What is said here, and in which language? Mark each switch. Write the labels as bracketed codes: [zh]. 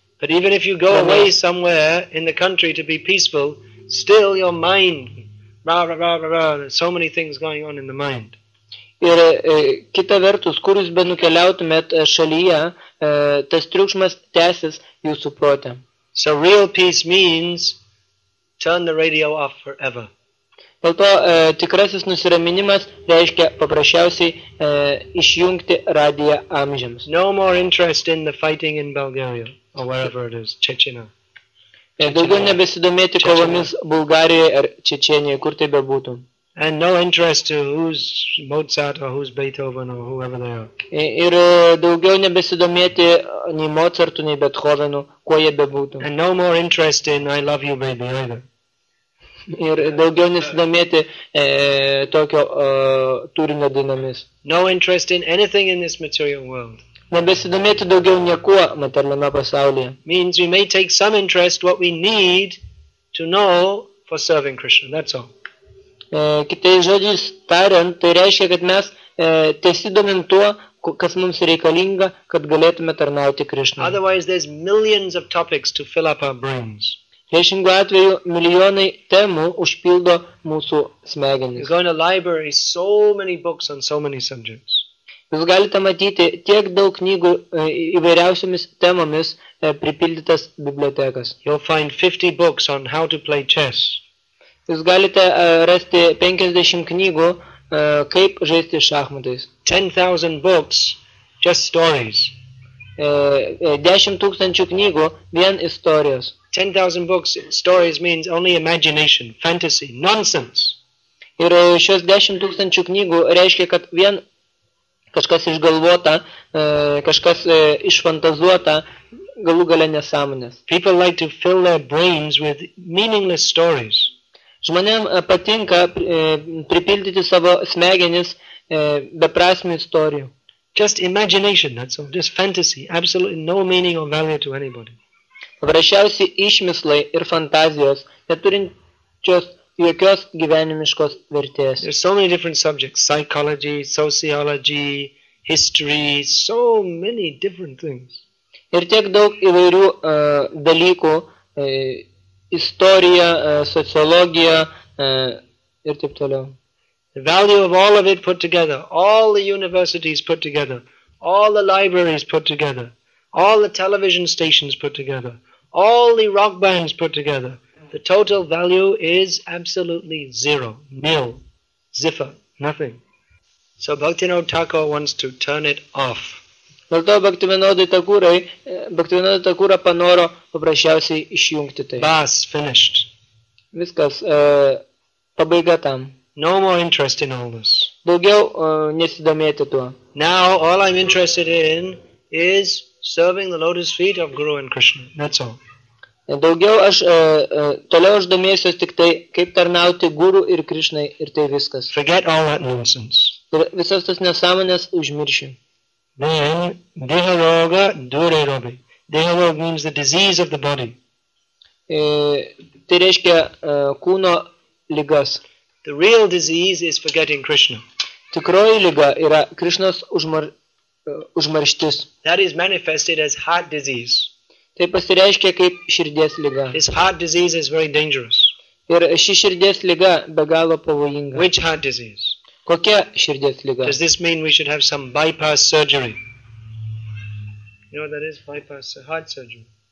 [en] But even if you go away somewhere in the country to be peaceful, still your mind, rah, rah, rah, rah, rah, so many things going on in the mind. [lt] Ir kita vertus, kur jūs be nukeliautumėt šalyje, tas triukšmas tęsis jūsų protę. [en] So real peace means turn the radio off forever. [lt] Dėl to tikrasis nusiraminimas reiškia paprasčiausiai išjungti radiją amžiams. [en] No more interest in the fighting in Bulgaria or wherever it is, Chechnya. [lt] Daugiau nebesidomėti kovomis Bulgarijoje ar Čečenijoje, kur tai bebūtų. [en] And no interest to who's Mozart or who's Beethoven or whoever they are. [lt] Ir daugiau nebesidomėti nei Mozartu, nei Beethovenu, kuo jie bebūtų. [en] And no more interest in I love you baby either. [lt] Ir daugiau nesidomėti tokio turinio dainomis. [en] No interest in anything in this material world. [lt] Nebesidomėti daugiau niekuo materialiame pasaulyje. [en] Means we may take some interest what we need to know for serving Krishna, that's all. [lt] Kitais žodžiais tariant, tai reiškia, kad mes tiesidomim tuo, kas mums reikalinga, kad galėtume tarnauti Krishnai. [en] Otherwise, there's millions of topics to fill up our brains. [lt] Priešingų atveju, milijonai temų užpildo mūsų smegenis. [en] You go in a library, so many books on so many subjects. [lt] Jūs galite matyti tiek daug knygų įvairiausiomis temomis pripildytas bibliotekas. [en] You'll find 50 books on how to play chess. [lt] Jūs galite rasti 50 knygų, kaip žaisti šachmatais. [en] 10,000 books, just stories. [lt] 10 tūkstančių knygų, vien istorijos. [en] 10,000 books, stories means only imagination, fantasy, nonsense. [lt] Ir šios 10 tūkstančių knygų reiškia, kad vien kažkas išgalvota, kažkas išfantazuota, galų galę nesąmonės. [en] People like to fill their brains with meaningless stories. [lt] Žmonėm patinka pripildyti savo smegenis beprasmių istorijų. [en] Just imagination, that's all. Just fantasy. Absolutely no meaning or value to anybody. [lt] Paprasčiausiai išmislai ir fantazijos, neturinčios jokios gyvenimiškos vertės. [en] There's so many different subjects. Psychology, sociology, history, so many different things. [lt] Ir tiek daug įvairių dalykų, istorija, sociologija ir taip toliau. [en] The value of all of it put together, all the universities put together, all the libraries put together, all the television stations put together, all the rock bands put together, the total value is absolutely zero, nil, zipper, nothing. So Bhaktivinoda Thakura wants to turn it off. [lt] Dėl to Bhaktivinoda Thakura panoro paprasčiausiai išjungti tai. [en] Bas, finished. [lt] Viskas, pabaiga tam. [en] No more interest in all this. [lt] Daugiau nesidomėti tuo. [en] Now all I'm interested in is serving the lotus feet of Guru and Krishna. That's all. [lt] Daugiau aš, toliau aš domėsiuos tik tai, kaip tarnauti Guru ir Krishnai ir tai viskas. [en] Forget all that nonsense. [lt] Ir visas tas nesąmonės užmiršim. [bn] Then, deha roga dure robi. [en] Deha roga means the disease of the body. [lt] Tai reiškia kūno ligas. [en] The real disease is forgetting Krishna. [lt] Tikroji liga yra Krishnos užmarštis. [en] That is manifested as heart disease. [lt] Tai pasireiškia kaip širdies liga. [en] His heart disease is very dangerous. [lt] Ir ši širdies lyga be galo pavojinga. [en] Which heart disease? [lt] Kokia širdies lyga? [en] Does this mean we should have some bypass surgery? You know, that is bypass heart surgery.